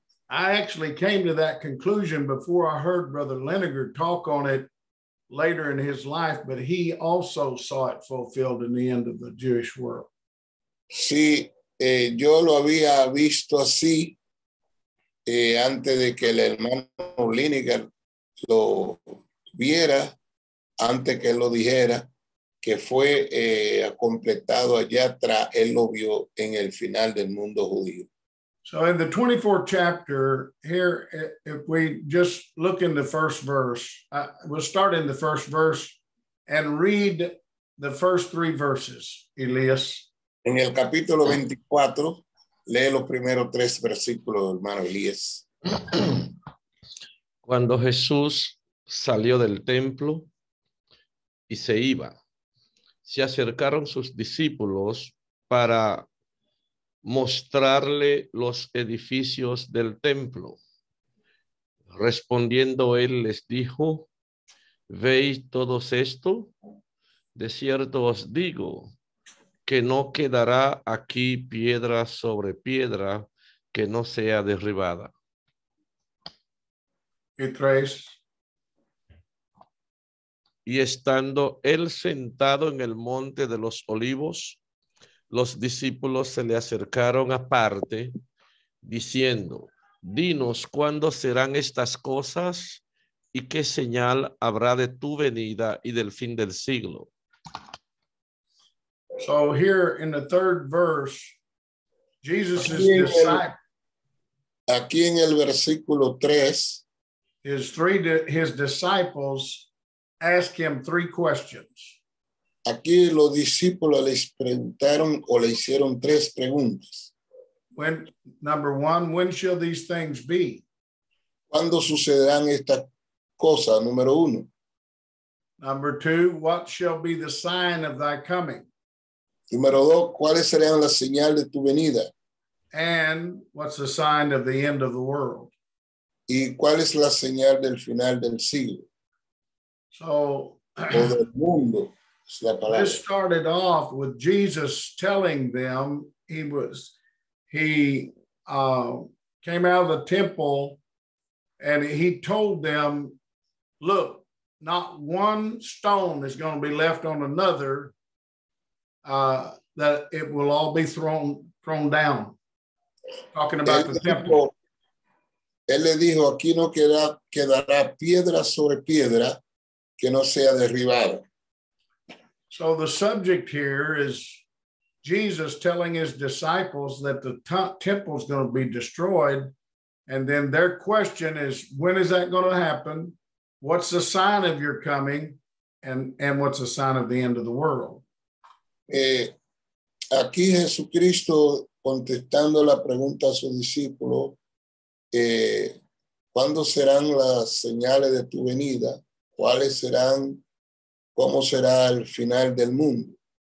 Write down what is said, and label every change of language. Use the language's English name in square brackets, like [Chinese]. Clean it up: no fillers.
[English] I actually came to that conclusion before I heard Brother Leniger talk on it later in his life, but he also saw it fulfilled in the end of the Jewish world. [Spanish] Sí, yo lo había visto así antes de que el hermano Leniger lo viera, antes que lo dijera, que fue completado allá atrás, él lo vio en el final del mundo judío. [English] So in the 24th chapter, here, if we just look in the first verse, we'll start in the first verse and read the first three verses, Elias. [Spanish] En el capítulo 24, lee los primeros tres versículos, hermano Elias. Cuando Jesús salió del templo y se iba, se acercaron sus discípulos para mostrarle los edificios del templo. Respondiendo él les dijo, ¿veis todo esto? De cierto os digo que no quedará aquí piedra sobre piedra que no sea derribada. Y estando él sentado en el monte de los olivos, los discípulos se le acercaron aparte, diciendo, dinos, ¿cuándo serán estas cosas? ¿Y qué señal habrá de tu venida y del fin del siglo? [English] So here in the third verse, Jesus' disciples. [Spanish] Aquí en el versículo 3. [English] His disciples ask him three questions. [Spanish] Aquí los discípulos les preguntaron o le hicieron tres preguntas. [English] Number one, when shall these things be? [Spanish] ¿Cuándo sucederán estas cosas? Número uno. [English] Number two, what shall be the sign of thy coming? [Spanish] Número dos, ¿cuáles serán las señales de tu venida? [English] And what's the sign of the end of the world? [Spanish] ¿Y cuál es la señal del final del siglo? [English] So, [Spanish] o del mundo. [English] This started off with Jesus telling them came out of the temple and he told them, look, not one stone is going to be left on another, that it will all be thrown down. Talking about the temple. [Spanish] Él le dijo, aquí no quedará piedra sobre piedra que no sea derribada. [English] So the subject here is Jesus telling his disciples that the temple is going to be destroyed. And then their question is, when is that going to happen? What's the sign of your coming? And what's the sign of the end of the world? [Spanish] Aquí Jesucristo contestando la pregunta a su discípulo, ¿cuándo serán las señales de tu venida? ¿Cuáles serán? ¿Cómo será el final del mundo?